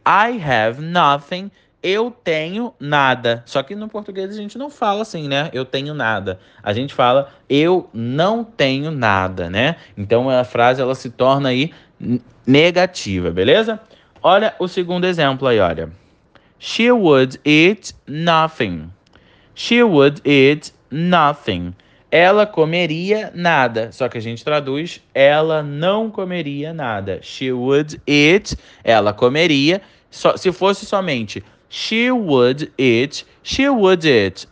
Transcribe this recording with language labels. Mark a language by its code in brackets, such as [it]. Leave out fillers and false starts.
[en] I have nothing. [pt] Eu tenho nada. Só que no português a gente não fala assim, né? Eu tenho nada. A gente fala eu não tenho nada, né? Então, a frase ela se torna aí negativa, beleza? Olha o segundo exemplo aí, olha. [en] She would eat nothing. She would eat nothing. [pt] Ela comeria nada. Só que a gente traduz, ela não comeria nada. [en] She would eat. [pt] Ela comeria. Só, se fosse somente [en] she would eat, she would eat.